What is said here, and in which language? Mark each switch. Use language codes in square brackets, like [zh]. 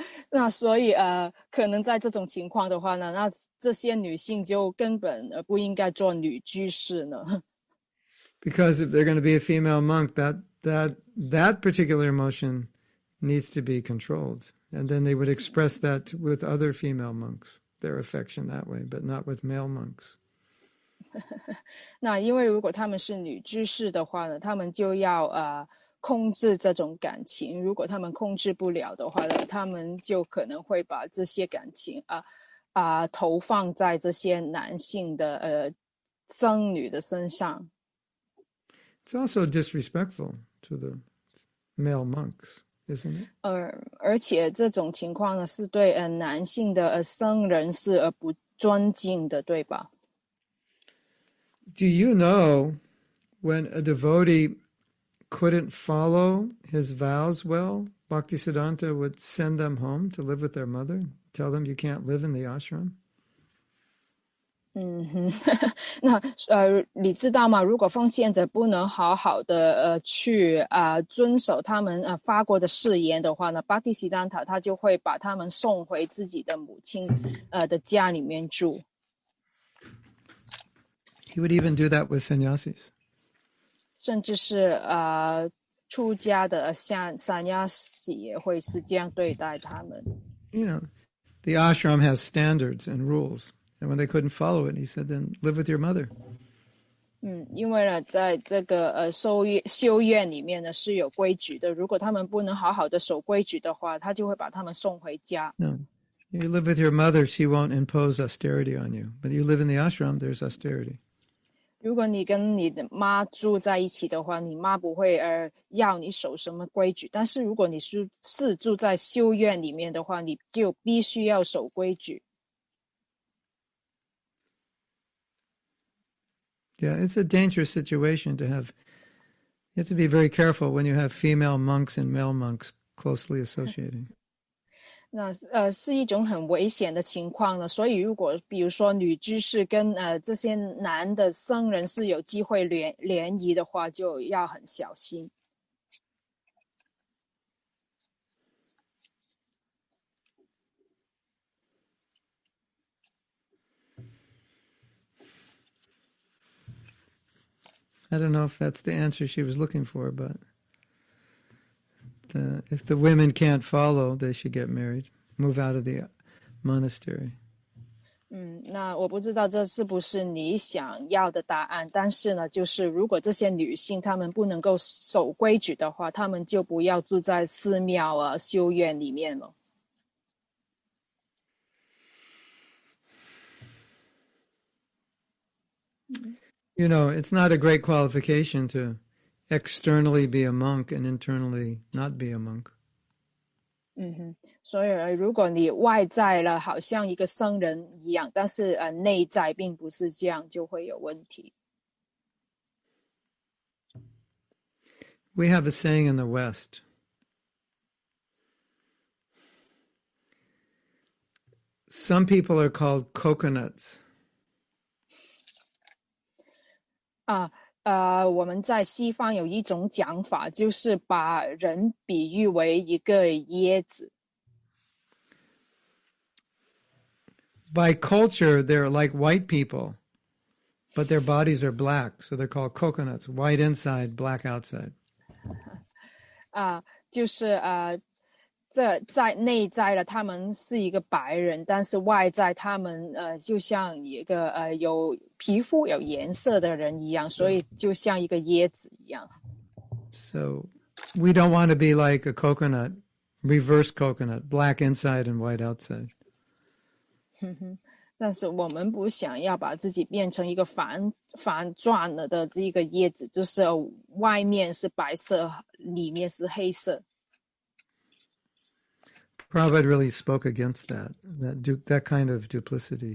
[zh] 那所以可能在这种情况的话呢，那这些女性就根本不应该做女居士呢。 [en] Because if they're going to be a female monk, that particular emotion needs to be controlled, and then they would express that with other female monks, their affection that way, but not with male monks. [zh] 那因为如果他们是女居士的话呢，他们就要控制这种感情，如果他们控制不了的话呢，他们就可能会把这些感情投放在这些男性的僧侣的身上。 [en] It's also disrespectful to the male monks, isn't it? [zh] 而且这种情况呢，是对男性的僧人是不尊敬的，对吧？ [en] Do you know when a devotee couldn't follow his vows well, Bhaktisiddhanta would send them home to live with their mother, tell them you can't live in the ashram. [zh] 嗯哼，那你知道吗？如果奉献者不能好好的去遵守他们发过的誓言的话呢，巴蒂西丹塔他就会把他们送回自己的母亲的家里面住。 [en] He would even do that with sannyasis. [zh] 甚至是出家的像 sannyasi 也会是这样对待他们。 [en] You know, the ashram has standards and rules. And when they couldn't follow it, he said, then live with your mother. [zh] 因为呢在这个修院里面呢是有规矩的。如果他们不能好好的守规矩的话，他就会把他们送回家。 [en] No. You live with your mother, she won't impose austerity on you. But you live in the ashram, there's austerity. [zh] 如果你跟你的妈住在一起的话，你妈不会要你守什么规矩。但是如果你是住在修院里面的话，你就必须要守规矩。 [en] Yeah, it's a dangerous situation to have. You have to be very careful when you have female monks and male monks closely associating. [zh] 那是一种很危险的情况呢。所以如果比如说女居士跟这些男的僧人是有机会联谊的话，就要很小心。 [en] I don't know if that's the answer she was looking for, but if the women can't follow, they should get married, move out of the monastery. [zh] 那我不知道这是不是你想要的答案，但是呢，就是如果这些女性她们不能够守规矩的话，她们就不要住在寺庙啊、修院里面了。 [en] You know, it's not a great qualification to externally be a monk and internally not be a monk. [zh] 所以如果你外在了好像一个僧人一样，但是内在并不是这样，就会有问题。 [en] We have a saying in the West. Some people are called coconuts. [zh] 我们在西方有一种讲法，就是把人比喻为一个椰子。 [en] By culture, they're like white people, but their bodies are black, so they're called coconuts, white inside, black outside. [zh] 就是这在内在了，他们是一个白人，但是外在他们就像一个有皮肤有颜色的人一样，所以就像一个椰子一样。 [en] So we don't want to be like a coconut, reverse coconut, black inside and white outside. [zh] 但是我们不想要把自己变成一个反转了的这个椰子，就是外面是白色，里面是黑色。 [en] Prabhupada really spoke against that, that kind of duplicity.